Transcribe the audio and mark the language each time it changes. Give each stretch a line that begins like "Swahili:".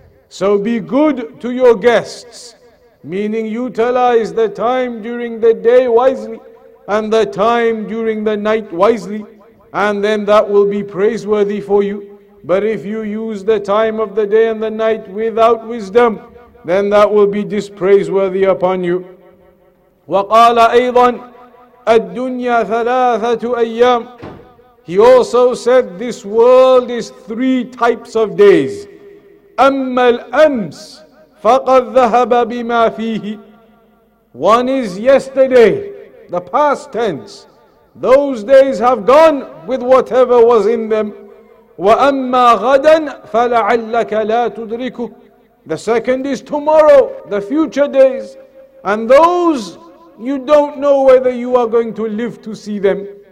English: So be good to your guests, meaning utilize the time during the day wisely and the time during the night wisely, and then that will be praiseworthy for you. But if you use the time of the day and the night without wisdom, then that will be dispraiseworthy upon you.
Arabic: وقال أيضا الدنيا ثلاثة أيام.
English: He also said, this world is three types of days.
Arabic: أما الأمس فقد ذهب بما فيه.
English: One is yesterday, the past tense. Those days have gone with whatever was in them.
Arabic: وأما غدا فلعلك لا تدركه.
English: The second is tomorrow, the future days. And those, you don't know whether you are going to live to see them.